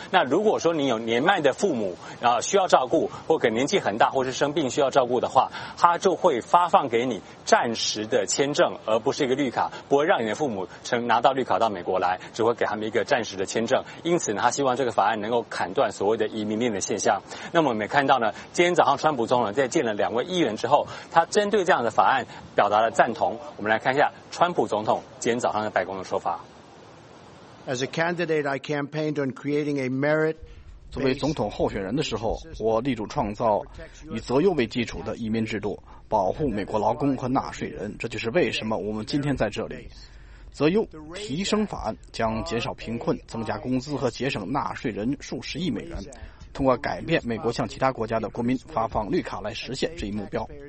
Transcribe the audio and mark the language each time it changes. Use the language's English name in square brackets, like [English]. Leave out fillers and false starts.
[Chinese] 那如果说你有年迈的父母需要照顾，或者年纪很大或是生病需要照顾的话，他就会发放给你暂时的签证而不是一个绿卡，不会让你的父母拿到绿卡到美国来，只会给他们一个暂时的签证。因此呢，他希望这个法案能够砍断所谓的移民链的现象。那么我们也看到呢，今天早上川普总统在见了两位议员之后，他针对这样的法案表达了赞同。我们来看一下川普总统今天早上在白宫的说法。 [English] As a candidate, I campaigned on creating a merit. [Chinese] 作为总统候选人的时候，我力主创造以择优为基础的移民制度，保护美国劳工和纳税人。这就是为什么我们今天在这里。择优提升法案将减少贫困，增加工资和节省纳税人数十亿美元，通过改变美国向其他国家的国民发放绿卡来实现这一目标。